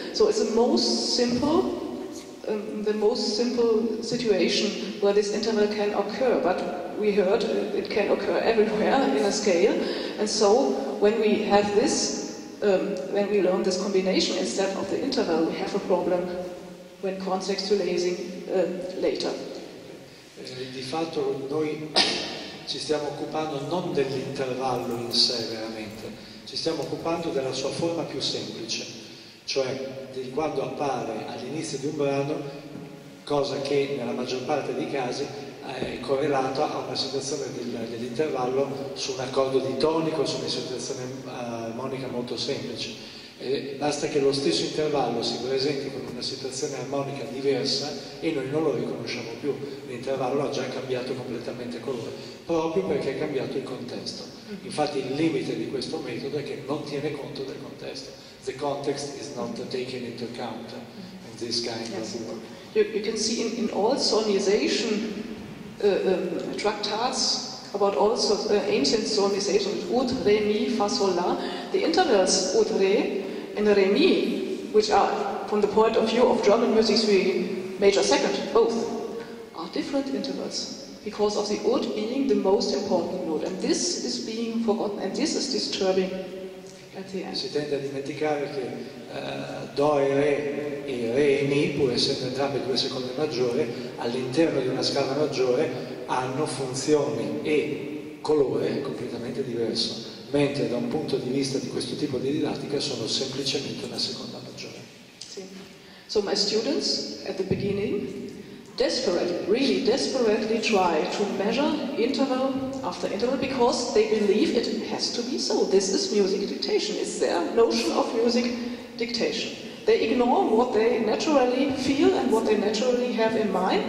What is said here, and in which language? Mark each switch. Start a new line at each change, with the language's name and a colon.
English: So it's the most simple situation where this interval can occur. But we heard it can occur everywhere in a scale. And so when we have this, when we learn this combination instead of the interval, we have a problem when contextualizing later.
Italian: Di fatto noi ci stiamo occupando non dell'intervallo in sé veramente, ci stiamo occupando della sua forma più semplice, cioè di quando appare all'inizio di un brano, cosa che nella maggior parte dei casi è correlata a una situazione dell'intervallo su un accordo di tonico, su una situazione armonica molto semplice. E basta che lo stesso intervallo si presenti con una situazione armonica diversa e noi non lo riconosciamo più, l'intervallo ha già cambiato completamente colore, proprio perché è cambiato il contesto. Infatti il limite di questo metodo è che non tiene conto del contesto.
English: The context is not taken into account in this kind of work. You can see in all solmization tractats about all ancient solmization, ut, re, mi, fa, sol, la, the intervals ut, re and re, mi, which are, from the point of view of German music, three major second, both, are different intervals because of the ut being the most important note. And this is being forgotten, and this is disturbing.
Italian: Si tende a dimenticare che Do e Re e Mi, pur essendo entrambi due seconde maggiore, all'interno di una scala maggiore hanno funzioni e colore completamente diverso, mentre da un punto di vista di questo tipo di didattica sono semplicemente una seconda maggiore.
English: Sì. So my students at the beginning desperately, really desperately try to measure interval after interval because they believe it has to be so. This is music dictation, it's their notion of music dictation. They ignore what they naturally feel and what they naturally have in mind.